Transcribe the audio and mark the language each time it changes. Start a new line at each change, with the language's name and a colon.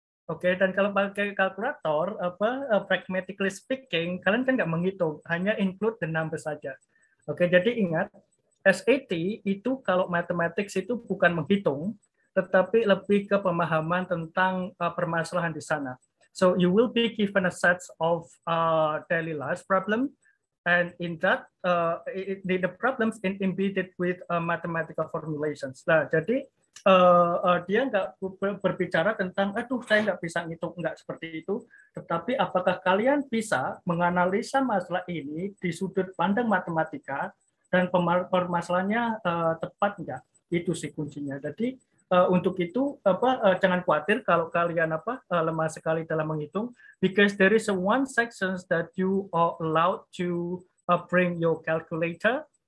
Indonesian: Okay, dan kalau pakai kalkulator apa
English: pragmatically speaking,
Indonesian: kalian kan nggak menghitung, hanya
English: include the number
Indonesian: saja. Okay, jadi ingat SAT itu kalau mathematics itu bukan menghitung, tetapi lebih ke pemahaman tentang permasalahan di sana.
English: So you will be given a set of daily life problem, and in that the problems in embedded with mathematical formulations.
Indonesian: Nah, jadi dia nggak berbicara tentang, aduh saya nggak bisa ngitung, nggak seperti itu. Tetapi apakah kalian bisa menganalisa masalah ini di sudut pandang matematika dan permasalahannya tepat nggak? Itu sih kuncinya. Jadi untuk itu apa jangan khawatir kalau kalian apa lemah sekali dalam menghitung,
English: because there is a one section that you are allowed to bring your calculator.